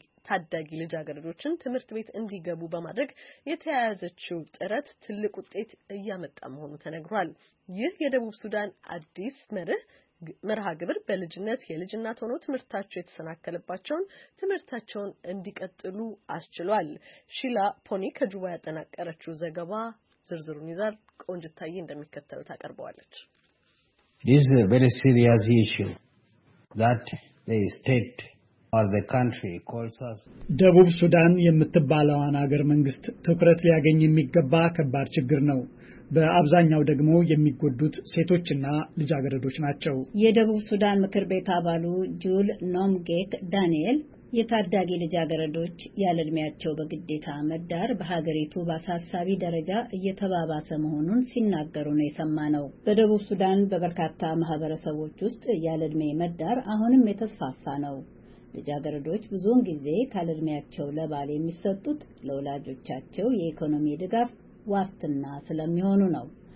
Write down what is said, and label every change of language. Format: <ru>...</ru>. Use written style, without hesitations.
<am>ታዳጊ ልጃገረዶችን ትምህርት ቤት እንዲገቡ በማድረግ የተያያዘችው ጥረት ትልቅ ውጤት እያመጣ መሆኑ ተነግሯል። ይህ የደቡብ ሱዳን አዲስ መርሃ ግብር በልጅነት የልጅነት ሆኖ ትምህርታቸው የተሰናከለባቸውን ትምህርታቸውን እንዲቀጥሉ አስችሏል። ሺላ ፖኒ ከጁባ ያጠናቀረችው ዘገባ ዝርዝሩን ይዛል ቆንጅታዬ እንደሚከተለው ታቀርባለች።</am> <en>This is a very serious issue that the state or the country calls us.</en> <am>ደቡብ ሱዳን የምትባለውን ሀገር መንግስት ትኩረት ሊያገኝ የሚገባ ከባድ ችግር ነው። በአብዛኛው ደግሞ የሚጎዱት ሴቶችና ልጃገረዶች ናቸው። የደቡብ ሱዳን ምክር ቤት አባሉ ጁል ኖምጌክ ዳንኤል የታዳጊ ልጃገረዶች ያለድሚያቸው በግዴታ መዳር በሀገሪቱ በአሳሳቢ ደረጃ እየተባባሰ መሆኑን ሲናገሩ ነው የሰማነው። በደቡብ ሱዳን በበርካታ ማህበረሰቦች ውስጥ ያለድሚያ መዳር አሁንም የተስፋፋ ነው። ልጃገረዶች ብዙውን ጊዜ ካለድሚያቸው ለባል የሚሰጡት ለወላጆቻቸው የኢኮኖሚ ድጋፍ ዋስትና ስለሚሆኑ ነው።</am>